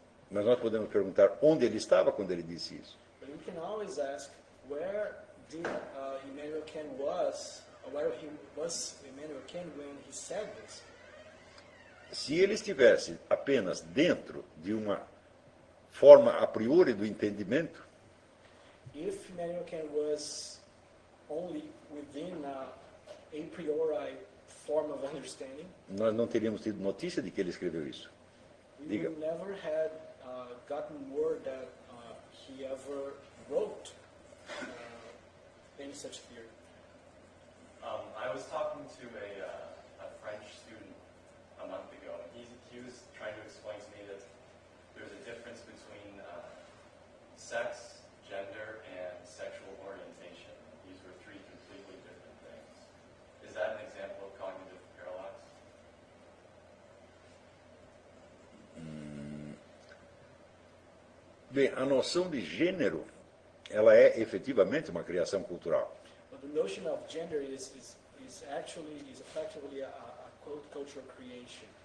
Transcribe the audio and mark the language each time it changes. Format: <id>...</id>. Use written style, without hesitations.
<pt>Mas nós podemos perguntar onde ele estava quando ele disse isso.</pt> <en>But we can always ask where did Immanuel Kant was, where he was Immanuel Kant when he said this.</en> <pt>Se ele estivesse apenas dentro de uma forma a priori do entendimento,</pt> <en>if Immanuel Kant was only within a a priori form of understanding.</en> <pt>Nós não teríamos tido notícia de que ele escreveu isso. Diga.</pt> <en>We never had gotten word that he ever wrote any such theory. I was talking to a French student a month ago. He was trying to explain to me that there's a difference between sex, gender, and sexual orientation. These were three completely different things. Is that an example of cognitive paradox?</en> <pt>Bem, a noção de gênero, ela é efetivamente uma criação cultural.</pt> <en>But the notion of gender is effectively a cultural creation.</en>